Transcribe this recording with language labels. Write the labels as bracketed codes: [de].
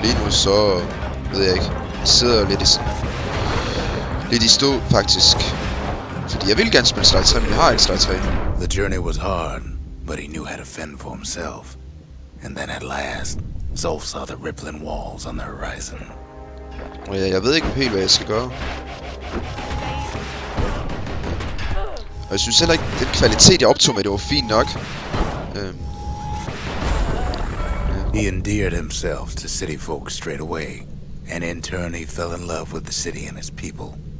[da] Så ved jeg ikke, sidder jeg lidt i stå faktisk, fordi jeg vil gerne spille Sly 3, men jeg har ikke Sly 3. [en] The journey was hard, but he knew how to fend for himself. And then at last, Zulf saw the rippling walls on the horizon. [da] Og ja, jeg ved ikke helt, hvad jeg skal gøre. Og jeg synes heller ikke, den kvalitet, jeg optog med, det var fint nok. [en] He endeared himself to city folk straight away, and in turn he fell in love with the city and its people.